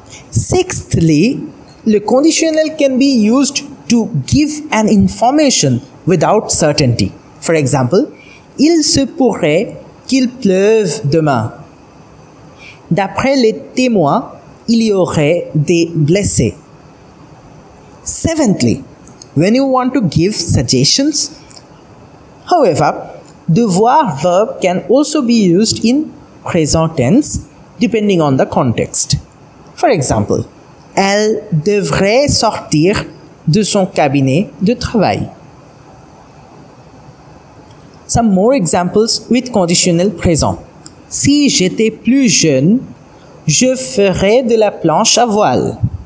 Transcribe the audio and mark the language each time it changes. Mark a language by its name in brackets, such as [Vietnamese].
[English] Sixthly, le conditionnel can be used to give an information without certainty. For example, [French] il se pourrait qu'il pleuve demain. D'après les témoins, il y aurait des blessés. [English] Seventhly, when you want to give suggestions, however, devoir verb can also be used in present tense depending on the context. For example, [French] elle devrait sortir de son cabinet de travail. [English] Some more examples with conditionnel présent. [French] Si j'étais plus jeune, je ferais de la planche à voile.